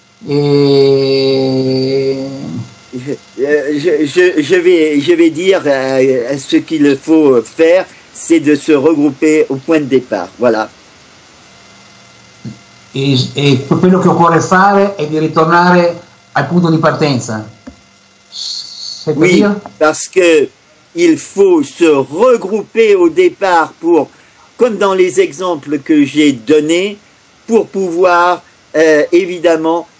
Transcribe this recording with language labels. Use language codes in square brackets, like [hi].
[fr] Je vais dire ce qu'il faut faire, c'est de se regrouper au point de départ. Voilà. [it] E quello che occorre fare è di ritornare al punto di partenza. [fr] C'est oui, dire? Parce que il faut se regrouper au départ pour, comme dans les exemples que j'ai donnés, pour pouvoir évidemment